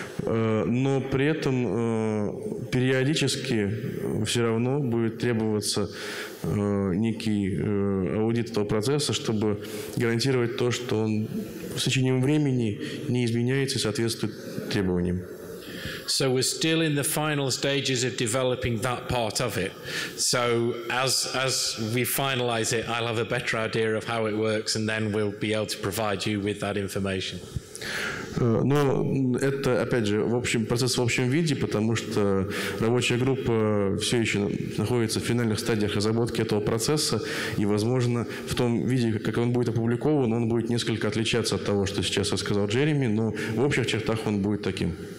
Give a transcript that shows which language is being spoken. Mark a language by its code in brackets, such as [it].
[ru] Но при этом периодически все равно будет требоваться некий аудит этого процесса, чтобы гарантировать то, что он в течение времени не изменяется и соответствует требованиям. [en] So we're still in the final stages of developing that part of it. So as we finalize it, I'll have a better idea of how it works, and then we'll be able to provide you with that information. [ru] Но это, опять же, в общем, процесс в общем виде, потому что рабочая группа все еще находится в финальных стадиях разработки этого процесса, и, возможно, в том виде, как он будет опубликован, он будет несколько отличаться от того, что сейчас рассказал Джереми, но в общих чертах он будет таким.